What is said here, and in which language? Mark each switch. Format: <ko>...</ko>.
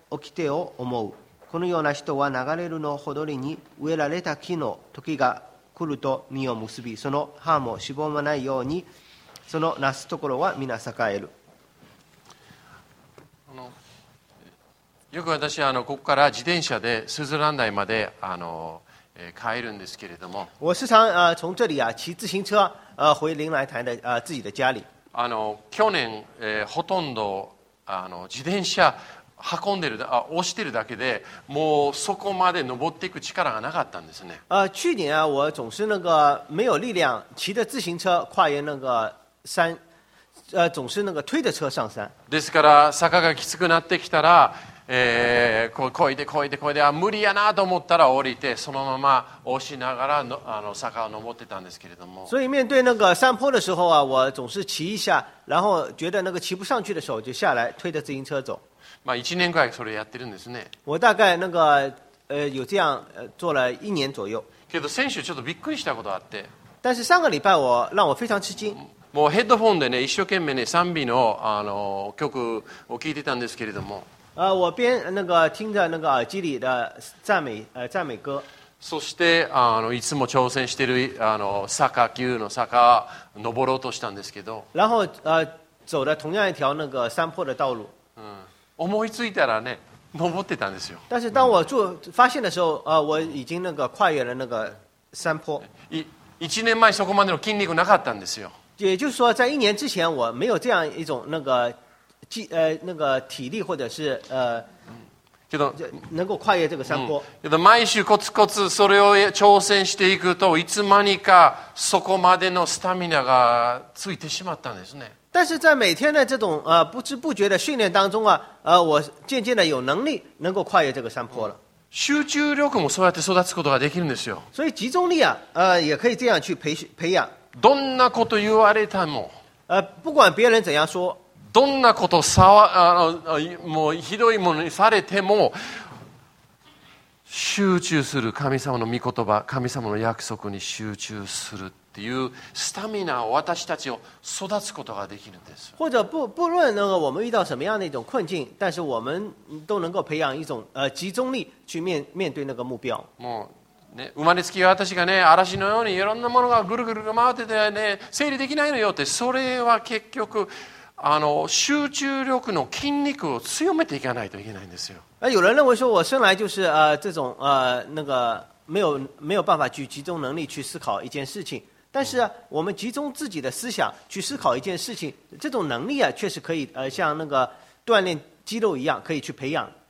<ja>掟を思う。このような人は流れるのほどりに植えられた木の時が来ると実を結び、その葉もしぼまないように、そのなすところは皆栄える。よく私はここから自転車でスズラン台まで帰るんですけれども、</ja> <zh>我时常从这里啊骑自行车回临来台的自己的家里。</zh> <ja>去年ほとんど自転車運んでる押してるだけで、もうそこまで登っていく力がなかったんですね。</ja> <zh>去年啊，我总是那个没有力量骑着自行车跨越那个山，总是那个推着车上山。</zh> <ja>ですから坂がきつくなってきたら。こいでこいでこいで、無理やなと思ったら降りて、そのまま押しながらの坂を登ってたんですけれども、</ja> <zh>所以面对那个山坡的时候啊，我总是骑一下，然后觉得那个骑不上去的时候就下来推着自行车走。</zh> <ja>まあ1年くらいそれやってるんですね。</ja> <zh>我大概那个有这样做了一年左右。</zh> <ja>けど先週ちょっとびっくりしたことあって、</ja> <zh>但是上个礼拜我让我非常吃惊。</zh> <ja>もうヘッドフォンでね、一生懸命ね賛美 の, 曲を聞いてたんですけれども、</ja> <zh>我边那个听着那个耳机里的赞美歌。</zh> <ja>そしていつも挑戦している坂、急の坂登ろうとしたんですけど。</ja> <zh>然后走的同样一条那个山坡的道路。</zh> <ja>思いついたらね、登ってたんですよ。</ja> <zh>但是当我发现的时候，我已经那个跨越了那个山坡。</zh> <ja>1年前そこまでの筋肉なかったんですよ。</ja> <zh>也就是说，在一年之前，我没有这样一种那个。那个体力或者是</zh> <ja>けど</ja> <zh>能够跨越这个山坡。</zh> <ja>けど毎週コツコツそれを挑戦していくと、いつ間にかそこまでのスタミナがついてしまったんですね。</ja> <zh>但是在每天的这种不知不觉的训练当中啊，我渐渐的有能力能够跨越这个山坡了。</zh> <ja>集中力もそうやって育つことができるんですよ。</ja> <zh>所以集中力啊，也可以这样去培养。</zh> <ja>どんなこと言われても。</ja> <zh>不管别人怎样说。</zh> <ja>どんなことさわもうひどいものにされても、集中する、神様の御言葉、神様の約束に集中するっていうスタミナを私たちを育つことができるんです。</ja> <zh>或者 不论那个我们遇到什么样的一种困境，但是我们都能够培养一种集中力去 面对那个目标。</zh> <ja>もう、ね、生まれつき私がね、嵐のようにいろんなものがぐるぐる回ってて、ね、整理できないのよって、それは結局集中力の筋肉を強めていかないといけないんですよ。</ja> <zh>有人认为说我生来就是这种那个没有办法去集中能力去思考一件事情，但是我们集中自己的思想去思考一件事情，这种能力啊确实可以像那个锻炼肌肉一样可以去培养。</zh>